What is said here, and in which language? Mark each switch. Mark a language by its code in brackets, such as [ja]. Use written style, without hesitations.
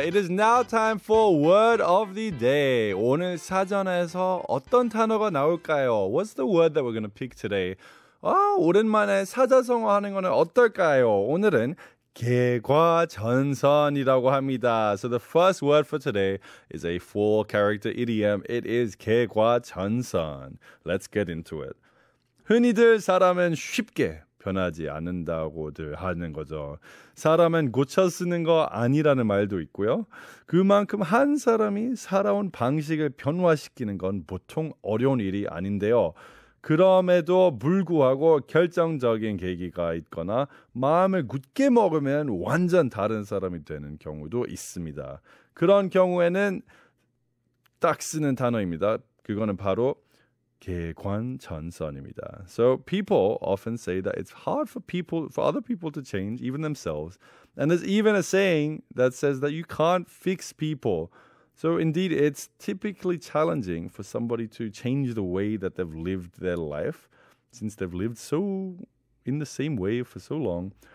[en] It is now time for word of the day. [ko] 오늘 사전에서 어떤 단어가 나올까요? [en] What's the word that we're going to pick today? [ko] 아, 오랜만에 사자성어 하는 거는 어떨까요? 오늘은 개과천선이라고 합니다. [en] So the first word for today is a four-character idiom. It is 개과천선. Let's get into it. [ko] 흔히들 사람은 쉽게 변하지 않는다고들 하는 거죠. 사람은 고쳐 쓰는 거 아니라는 말도 있고요. 그만큼 한 사람이 살아온 방식을 변화시키는 건 보통 어려운 일이 아닌데요. 그럼에도 불구하고 결정적인 계기가 있거나 마음을 굳게 먹으면 완전 다른 사람이 되는 경우도 있습니다. 그런 경우에는 딱 쓰는 단어입니다. 그거는 바로 개관천선입니다. [en] So people often say that it's hard for people, for other people to change, even themselves. And there's even a saying that says that you can't fix people. So indeed, it's typically challenging for somebody to change the way that they've lived their life, since they've lived so in the same way for so long.